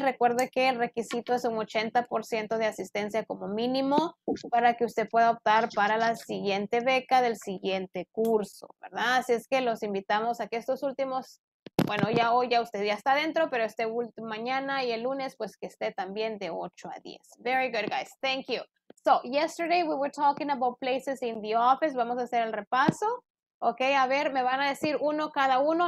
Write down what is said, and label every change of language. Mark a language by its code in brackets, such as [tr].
[es] Recuerde que el requisito es un 80% de asistencia como mínimo para que usted pueda optar para la siguiente beca del siguiente curso, ¿verdad? Así es que los invitamos a que estos últimos... Bueno, ya hoy ya usted ya está dentro, pero este mañana y el lunes, pues que esté también de 8 a 10. [en] Very good, guys. Thank you. So, yesterday we were talking about places in the office. [es] Vamos a hacer el repaso. Ok, a ver, me van a decir uno cada uno.